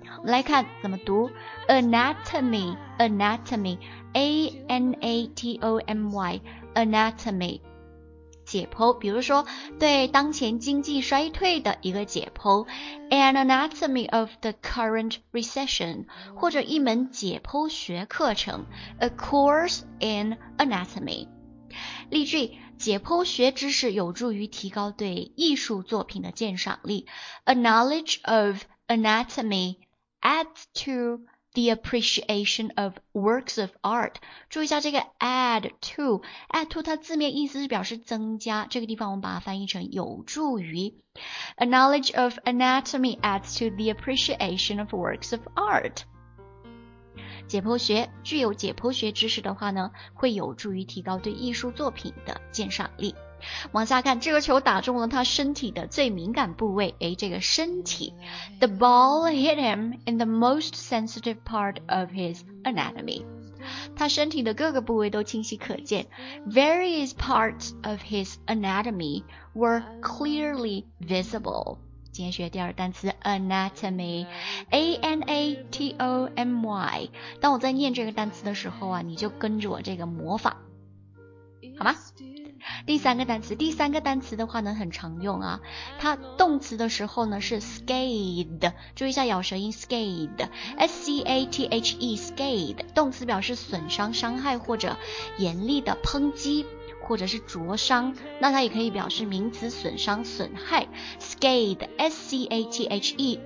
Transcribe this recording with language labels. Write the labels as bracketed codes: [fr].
[zh] 我们来看怎么读 anatomy A-N-A-T-O-M-Y anatomy，解剖，比如说对当前经济衰退的一个解剖， [en] An anatomy of the current recession， [zh] 或者一门解剖学课程， [en] A course in anatomy。 [zh] 例句，解剖学知识有助于提高对艺术作品的鉴赏力， [en] A knowledge of anatomy adds toThe appreciation of works of art。 [zh] 注意一下这个 add to 它字面意思是表示增加，这个地方我们把它翻译成有助于。 [en] A knowledge of anatomy adds to the appreciation of works of art。 [zh] 解剖学，具有解剖学知识的话呢，会有助于提高对艺术作品的鉴赏力。往下看，这个球打中了他身体的最敏感部位，诶，这个身体， [en] The ball hit him in the most sensitive part of his anatomy， [zh] 他身体的各个部位都清晰可见， [en] Various parts of his anatomy were clearly visible。 [zh] 今天学第二单词 anatomy， A-N-A-T-O-M-Y， 当我在念这个单词的时候啊，你就跟着我这个模仿好吗？第三个单词的话呢很常用啊，它动词的时候呢是 scathe， 注意一下咬舌音 scathe， S-C-A-T-H-E scathe， 动词表示损伤、伤害或者严厉的抨击或者是灼伤，那它也可以表示名词损伤、损害， scathe S-C-A-T-H-E。